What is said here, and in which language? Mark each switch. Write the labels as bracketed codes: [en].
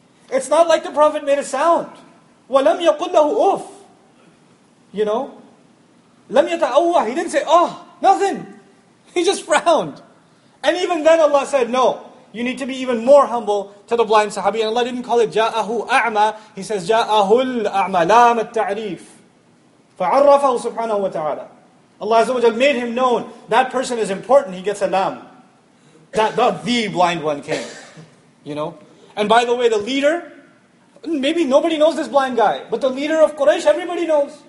[en] It's not like the Prophet made a sound. [ar] وَلَمْ يَقُلْ لَهُ أُفْ. [en] You know? [ar] لَمْ يَتَأَوَّهُ. [en] He didn't say, oh, nothing. He just frowned. And even then Allah said, no. You need to be even more humble to the blind Sahabi. And Allah didn't call it [ar] جَاءَهُ أَعْمَى. [en] He says, [ar] جَاءَهُ الْأَعْمَى لَامَ التَّعْرِيفِ. فَعَرَّفَهُ سُبْحَانَهُ وَتَعَالَى. [en] Allah Azza wa Jalla made him known. That person is important. He gets a lam. The blind one came. You know? And by the way, the leader, maybe nobody knows this blind guy, but the leader of Quraysh, everybody knows.